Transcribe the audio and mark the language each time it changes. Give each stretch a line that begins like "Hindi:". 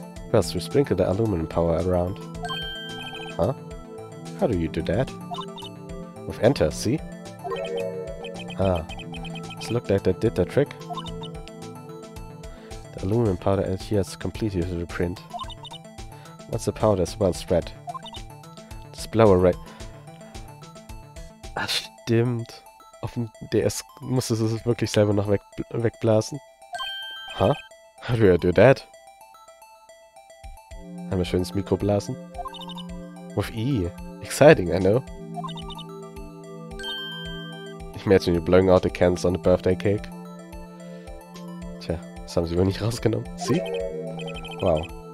English: First, we sprinkle the aluminum powder around. Huh? How do you do that? With enter, see? Ah, it looked like that did the trick. The aluminum powder adheres completely to the print. Once the powder is well spread, blauer Ray.
German: Ach, stimmt. Auf dem DS musstest du es wirklich selber noch wegblasen.
English: Huh? How do you do that?
German: Einmal schön ins Mikro blasen.
English: With E. Exciting, I know. Imagine you blowing out the candles on the birthday cake.
German: Tja, das haben sie wohl nicht rausgenommen.
English: See? Wow.